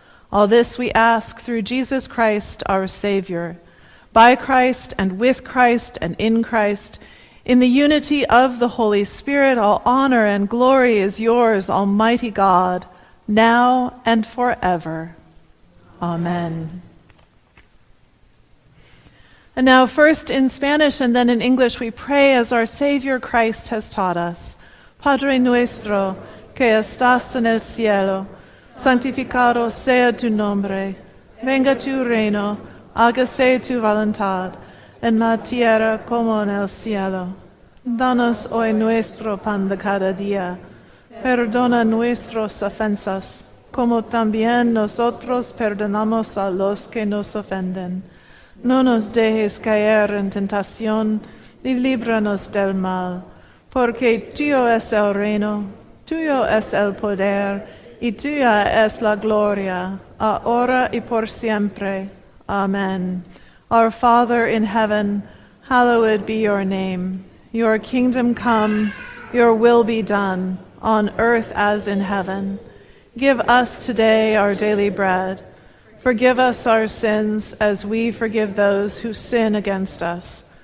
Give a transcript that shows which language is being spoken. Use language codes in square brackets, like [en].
[en] All this we ask through Jesus Christ, our Savior, by Christ and with Christ and in Christ, in the unity of the Holy Spirit, all honor and glory is yours, Almighty God, now and forever. Amen. And now first in Spanish and then in English, we pray as our Savior Christ has taught us. [es] Padre nuestro, que estás en el cielo, santificado sea tu nombre, venga tu reino, hágase tu voluntad, en la tierra como en el cielo. Danos hoy nuestro pan de cada día. Perdona nuestras ofensas, como también nosotros perdonamos a los que nos ofenden. No nos dejes caer en tentación, y líbranos del mal. Porque tuyo es el reino, tuyo es el poder, y tuya es la gloria, ahora y por siempre. Amen. [en] Our Father in heaven, hallowed be your name. Your kingdom come, your will be done, on earth as in heaven. Give us today our daily bread. Forgive us our sins as we forgive those who sin against us.